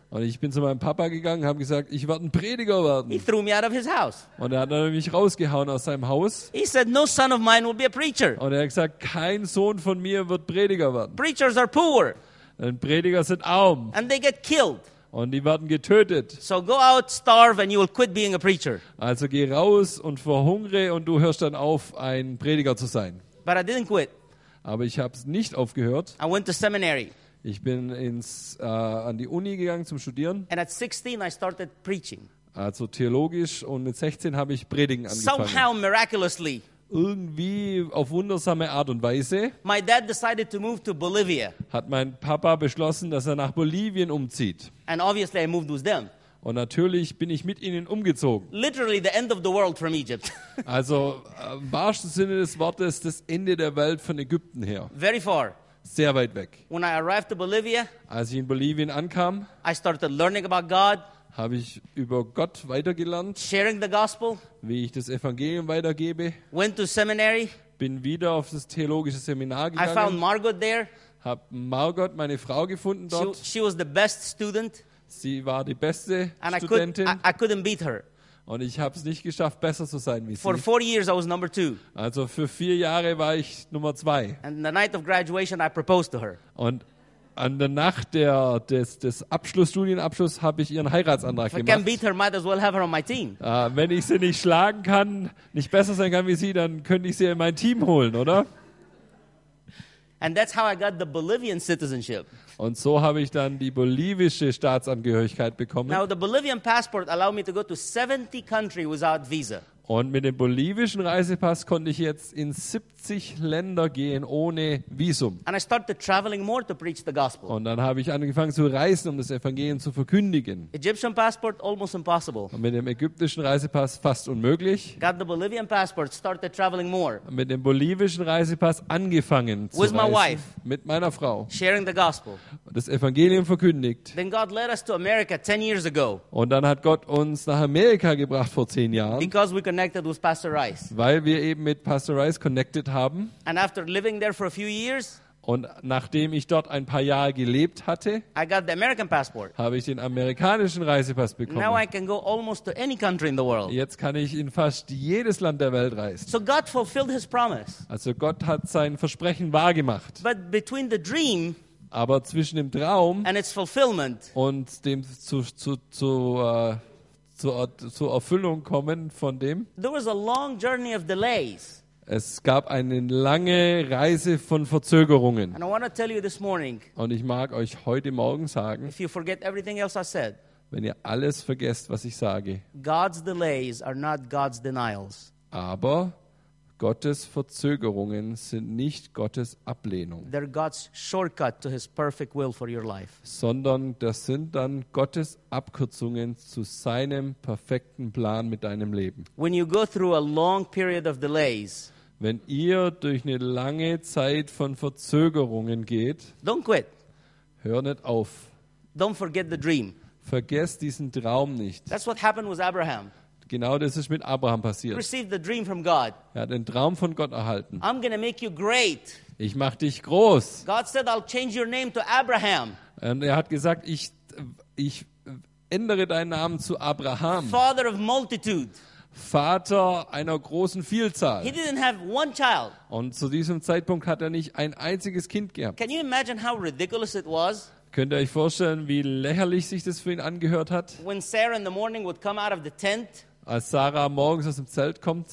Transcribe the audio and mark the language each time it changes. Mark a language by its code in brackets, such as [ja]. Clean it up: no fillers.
[de] Und ich bin zu meinem Papa gegangen, habe gesagt, ich werde ein Prediger werden. [en] He threw me out of his house. [de] Und er hat dann mich rausgehauen aus seinem Haus. [en] He said no son of mine will be a preacher. [de] Und er hat gesagt, kein Sohn von mir wird Prediger werden. [en] Preachers are poor. [de] Und Prediger sind arm. [en] And they get killed. [de] Und die werden getötet. [en] So go out, starve and you will quit being a preacher. [de] Also geh raus und verhungere und du hörst dann auf, ein Prediger zu sein. [en] But I didn't quit. [de] Aber ich habe es nicht aufgehört. [en] I went to seminary. [de] Ich bin an die Uni gegangen zum Studieren. [en] And at 16 I started preaching. [de] Also theologisch, und mit 16 habe ich Predigen angefangen. [en] Somehow miraculously. [de] Irgendwie auf wundersame Art und Weise. [en] My dad decided to move to Bolivia. [de] Hat mein Papa beschlossen, dass er nach Bolivien umzieht. [en] And obviously I moved with them. [de] Und natürlich bin ich mit ihnen umgezogen. [en] Literally the end of the world from Egypt. [de] Also im wahrsten Sinne des Wortes das Ende der Welt von Ägypten her. [en] Very far. [de] Sehr weit weg. [en] When I arrived to Bolivia, [de] als ich in Bolivien ankam, [en] I started learning about God, [de] habe ich über Gott weitergelernt, [en] sharing the gospel, [de] wie ich das Evangelium weitergebe, [en] went to seminary, [de] bin wieder auf das theologische Seminar gegangen, [en] I found Margot there, [de] habe Margot, meine Frau, gefunden dort. [en] She was the best student. [de] Sie war die beste [en] and [de] Studentin. [en] I couldn't beat her. [de] Und ich habe es nicht geschafft, besser zu sein wie sie. [en] For 4 years I was number two. [de] Also für 4 Jahre war ich Nummer zwei. [en] And the night of graduation I proposed to her. [de] Und an der Nacht des Abschlussstudienabschluss habe ich ihren Heiratsantrag gemacht. [en] If I can beat her, might as well have her on my team. [de] Wenn ich sie nicht schlagen kann, nicht besser sein kann wie sie, dann könnte ich sie in mein Team holen, oder? [en] And that's how I got the Bolivian citizenship. [de] Und so habe ich dann die bolivische Staatsangehörigkeit bekommen. [en] Now the Bolivian passport allowed me to go to 70 countries without visa. [de] Und mit dem bolivischen Reisepass konnte ich jetzt in 70 Länder gehen ohne Visum. [en] And I started traveling more to preach the gospel. [de] Und dann habe ich angefangen zu reisen, um das Evangelium zu verkündigen. [en] Egyptian passport almost impossible. [de] Und mit dem ägyptischen Reisepass fast unmöglich. [en] Got the Bolivian passport, started traveling more. [de] Mit dem bolivischen Reisepass angefangen zu reisen. [en] With my wife. [de] Mit meiner Frau. [en] Sharing the gospel. [de] Das Evangelium verkündigt. [en] Then God led us to America 10 years ago. [de] Und dann hat Gott uns nach Amerika gebracht vor 10 Jahren. [en] Because we connected with Pastor Rice. [de] Weil wir eben mit Pastor Rice connected haben. [en] And after living there for a few years, [de] und nachdem ich dort ein paar Jahre gelebt hatte, [en] I got the American passport. [de] Habe ich den amerikanischen Reisepass bekommen. [en] Now I can go almost to any country in the world. [de] Jetzt kann ich in fast jedes Land der Welt reisen. [en] So God fulfilled his promise. [de] Also Gott hat sein Versprechen wahrgemacht. [en] But between the dream, [de] aber zwischen dem Traum [en] and its fulfillment, [de] und dem zur Erfüllung kommen von dem. [en] There was a long journey of delays. [de] Es gab eine lange Reise von Verzögerungen. [en] And I want to tell you this morning, [de] und ich mag euch heute Morgen sagen, [en] if you forget everything else I said, [de] wenn ihr alles vergesst, was ich sage, [en] God's delays are not God's denials. [de] Aber Gottes Verzögerungen sind nicht Gottes Ablehnung. [en] They're God's shortcut to his perfect will for your life. [de] Sondern das sind dann Gottes Abkürzungen zu seinem perfekten Plan mit deinem Leben. [en] When you go through a long period of delays, [de] wenn ihr durch eine lange Zeit von Verzögerungen geht, [en] don't quit. [de] Hör nicht auf. [en] Don't forget the dream. [de] Vergesst diesen Traum nicht. [en] That's what happened with Abraham. [de] Genau das ist mit Abraham passiert. [en] Received the dream from God. [de] Er hat den Traum von Gott erhalten. [en] I'm gonna make you great. [de] Ich mache dich groß. [en] God said, I'll change your name to Abraham. [de] Und er hat gesagt, ich ich ändere deinen Namen zu Abraham. [en] Father of multitude. [de] Vater einer großen Vielzahl. [en] He didn't have one child. [de] Und zu diesem Zeitpunkt hat er nicht ein einziges Kind gehabt. [en] Can you imagine how ridiculous it was? [de] Könnt ihr euch vorstellen, wie lächerlich sich das für ihn angehört hat? [en] When Sarah in the morning would come out of the tent. [de] Als Sarah morgens aus dem Zelt kommt